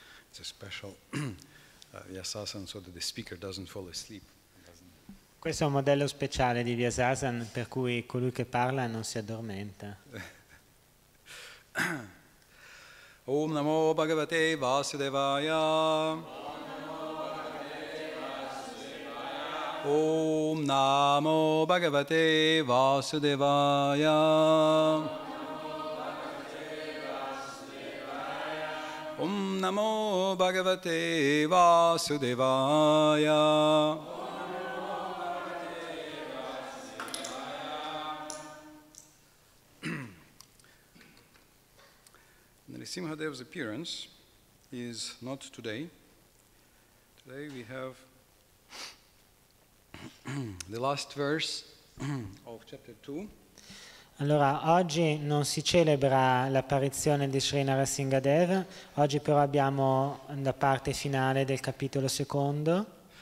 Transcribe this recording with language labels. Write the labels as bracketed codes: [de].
[en] It's a special Vyasasana so that the speaker doesn't fall asleep. [it] Questo è un modello speciale di Vyasasana per cui colui che parla non si addormenta. [sa] Om Namo Bhagavate Vasudevaya. Om Namo Bhagavate Vasudevaya. Om Namo Bhagavate Vasudevaya. [en] Narasimhadev's appearance is not today. Today we have the last verse of chapter 2. [it] Allora, oggi non si celebra l'apparizione di Sri Narasimhadev, oggi però abbiamo la parte finale del capitolo secondo,